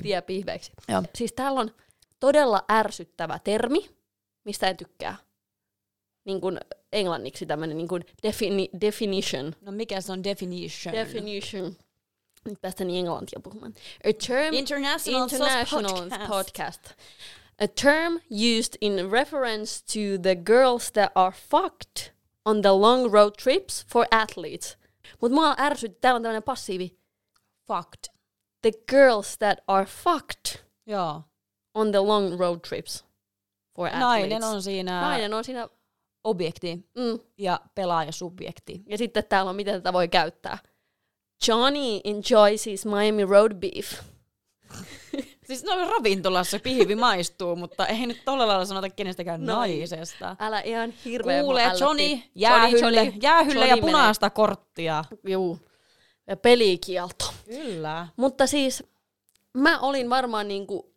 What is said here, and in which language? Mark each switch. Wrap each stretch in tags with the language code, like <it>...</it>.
<fi>Tiepihveiksi. Joo. Siis täällä on todella ärsyttävä termi, mistä en tykkää. Niin kuin englanniksi tämmöinen niin kuin definition. No mikä se on definition? Definition. Nyt päästään englantia puhumaan.</fi> <en>A term international podcast. A term used in reference to the girls that are fucked on the long road trips for athletes.</en> <fi>Mut mua ärsyt, täällä on tämmönen passiivi.</fi> <en>Fucked. The girls that are fucked.</en> <fi>Joo.</fi> <en>On the long road trips for athletes.</en> <fi>Nainen on siinä objekti ja pelaaja subjekti. Ja sitten täällä on, miten tätä voi käyttää.</fi> <en>Johnny enjoys his Miami road beef.</en> <fi>Siis no ravintolassa pihvi maistuu, mutta ei nyt tolla lailla sanota kenestäkään naisesta. Älä ihan hirveä. Kuule, Johnny, jäähylle ja punaista korttia. Juu, ja pelikielto. Kyllä. Mutta siis mä olin varmaan niinku</fi>